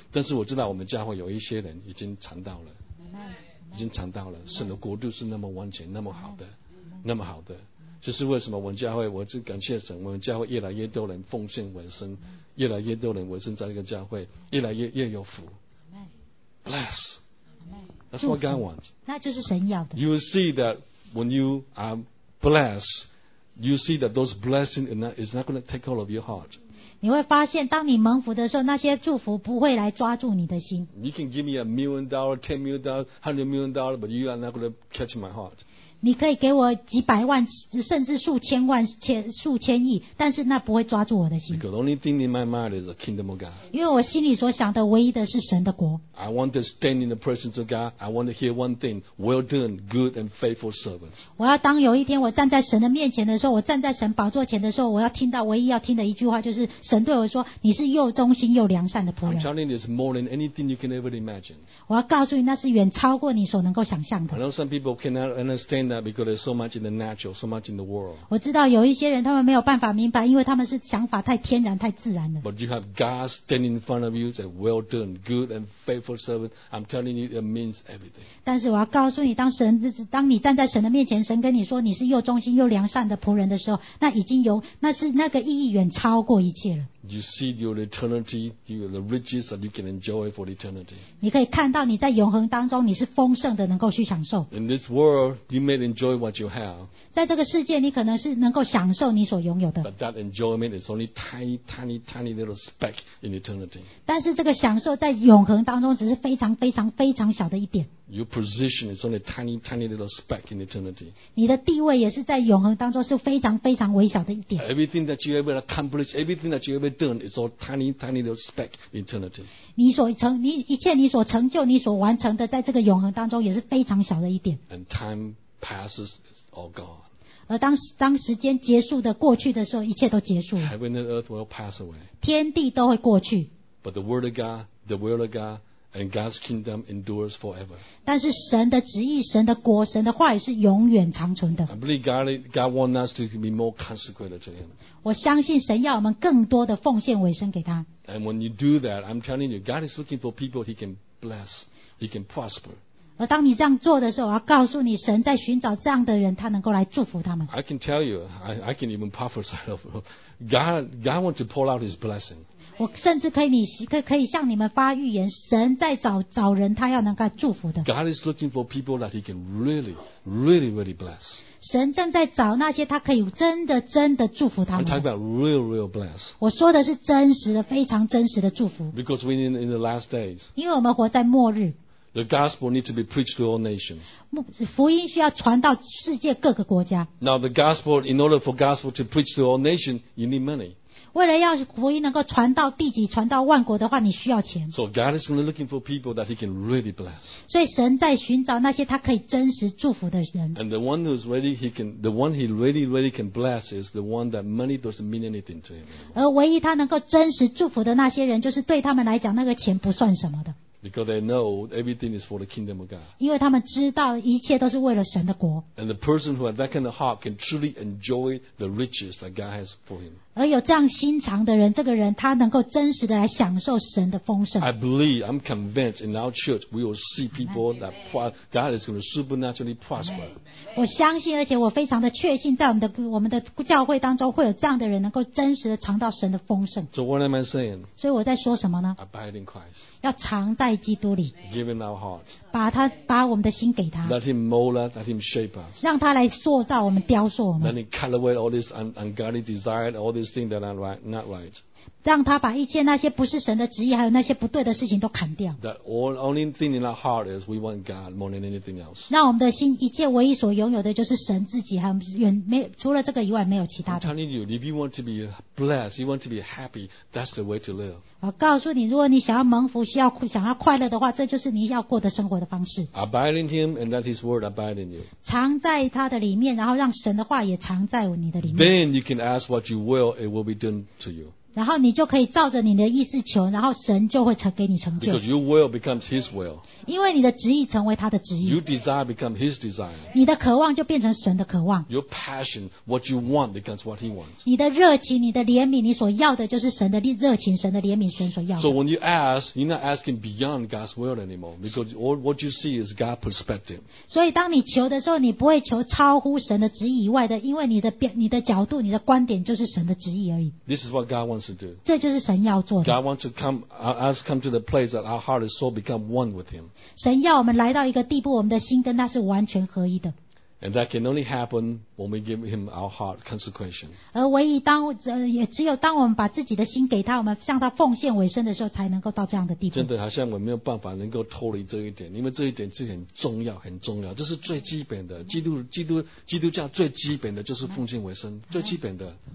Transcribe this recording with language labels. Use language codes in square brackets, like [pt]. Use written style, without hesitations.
[zh] 但是我知道我们家会有一些人已经尝到了，已经尝到了神的国度是那么完全、那么好的、那么好的。就是为什么我们教会，我就感谢神，我们教会越来越多人奉献为生，越来越多人为生在这个教会，越来越有福。 [en] Bless. That's what God wants. [zh] 那就是神要的。 [en] You will see that when you are blessed, you see that those blessings is not going to take hold of your heart. [zh] 你会发现，当你蒙福的时候，那些祝福不会来抓住你的心。 [en] You can give me $1 million, $10 million, $100 million, but you are not going to catch my heart. [zh] 你可以给我几百万，甚至数千万、数千亿，但是那不会抓住我的心。 [en] Because only thing in my mind is the kingdom of God. [zh] 因为我心里所想的唯一的是神的国。 [en] I want to stand in the presence of God. I want to hear one thing: Well done, good and faithful servant. [zh] 我要当有一天我站在神的面前的时候，我站在神宝座前的时候，我要听到唯一要听的一句话就是神对我说：“你是又忠心又良善的仆人。 [en] ”I'm telling you, it's more than anything you can ever imagine. [zh] 我要告诉你，那是远超过你所能够想象的。 [en] I know some people cannot understand that. Because there's so much in the natural, so much in the world. [zh] 我知道有一些人他们没有办法明白，因为他们是想法太天然、太自然了。 [en] But you have God standing in front of you, saying, "Well done, good and faithful servant." I'm telling you, it means everything. [zh] 但是我要告诉你，当你站在神的面前，神跟你说你是又忠心又良善的仆人的时候，那已经有那是那个意义远超过一切了。 [en] You see your eternity, the riches that you can enjoy for eternity. [zh] 你可以看到你在永恒当中你是丰盛的，能够去享受。 [en] In this world, you may enjoy what you have. [zh] 在这个世界，你可能是能够享受你所拥有的。 [en] But that enjoyment is only tiny, tiny, tiny little speck in eternity. [zh] 但是这个享受在永恒当中只是非常非常非常小的一点。 [en] Your position is only tiny, tiny little speck in eternity. [zh] 你的地位也是在永恒当中是非常非常微小的一点。 [en] Everything that you ever accomplish, everything that you ever done is all tiny, tiny little speck in eternity. [zh] 你一切你所成就、你所完成的，在这个永恒当中也是非常小的一点。 [en] And time passes, it's all gone. [zh] 而当时间结束的过去的时候，一切都结束了。 [en] Heaven and earth will pass away. [zh] 天地都会过去。 [en] But the word of God, the will of God. And God's kingdom endures forever. [zh] 但是神的旨意、神的国、神的话语是永远长存的。 [en] I believe God wants us to be more consecrated to Him. [zh] 我相信神要我们更多的奉献委身给他。 [en] And when you do that, I'm telling you, God is looking for people He can bless, He can prosper. [zh] 而当你这样做的时候，我要告诉你，神在寻找这样的人，他能够来祝福他们。 [en] I can tell you, I can even prophesy of God wants to pull out His blessing. [zh] 我甚至可以向你们发预言，神在找人，他要能够祝福的。 [en] God is looking for people that He can really, really, really bless. [zh] 神正在找那些他可以真的真的祝福他们。 [en] I'm talking about real, real bless. [zh] 我说的是真实的、非常真实的祝福。 [en] Because we're in the last days. [zh] 因为我们活在末日。 [en] The gospel needs to be preached to all nations. [zh] 福音需要传到世界各个国家。 [en] Now the gospel, in order for gospel to preach to all nations, you need money. [zh] 为了要福音能够传到地极、传到万国的话，你需要钱。 [en] So God is looking for people that He can really bless. [zh] 所以神在寻找那些他可以真实祝福的人。 [en] And the one who's really He can, the one He really, really can bless is the one that money doesn't mean anything to Him. [zh] 而唯一他能够真实祝福的那些人，就是对他们来讲，那个钱不算什么的。 [en] Because they know everything is for the kingdom of God. [zh] 因为他们知道一切都是为了神的国。 [en] And the person who has that kind of heart can truly enjoy the riches that God has for him. [zh] 而有这样心肠的人，这个人他能够真实的来享受神的丰盛。 [en] I believe, I'm convinced in our church we will see people that God is going to supernaturally prosper. [zh] 我相信，而且我非常的确信，在我们的教会当中会有这样的人能够真实的尝到神的丰盛。 [en] So what am I saying? [zh] 所以我在说什么呢 [en] ？Abide in Christ. [zh] 要藏在在基督里 [en] Give him our heart. [zh] 把我们的心给他 [en] Let him mold us, let him shape us. [zh] 让他来塑造我们雕塑我们 [en] Let him cut away all this ungodly desire, all these things that are not right. [zh] 让他把一切那些不是神的旨意还有那些不对的事情都砍掉 [en] The only thing in our heart is we want God more than anything else. [zh] 让我们的心一切唯一所拥有的就是神自己还有除了这个以外没有其他的 [en] I'm telling you, if you want to be blessed, you want to be happy, that's the way to live. [zh] 我告诉你如果你想要蒙福需要想要快乐的话，这就是你要过的生活的方式。 [en] Abide in Him and let His Word abide in you. [zh] 藏在他的里面，然后让神的话也藏在你的里面。 [en] Then you can ask what you will, it will be done to you. [zh] 然后你就可以照着你的意思求，然后神就会给你成就。 [en] Because your will becomes His will. [zh] 因为你的旨意成为他的旨意。 [en] Your desire becomes His desire. [zh] 你的渴望就变成神的渴望。 [en] Your passion, what you want becomes what He wants. [zh] 你的热情，你的怜悯，你所要的就是神的热情，神的怜悯，神所要的。 [en] So when you ask, you're not asking beyond God's will anymore. Because all what you see is God's perspective. [zh] 所以当你求的时候，你不会求超乎神的旨意以外的，因为你的角度，你的观点就是神的旨意而已。 [en] This is what God wants to do. [zh] 这就是神要做的。 [en] God wants to come, us come to the place that our heart and soul become one with Him. [zh] 神要我们来到一个地步，我们的心跟他是完全合一的。 [en] And that can only happen when we give Him our heart consecration. [zh] 而唯一当也只有当我们把自己的心给他，我们向他奉献委身的时候，才能够到这样的地步。真的好像我没有办法能够脱离这一点，因为这一点是很重要，很重要，这是最基本的。基督教最基本的就是奉献委身，最基本的。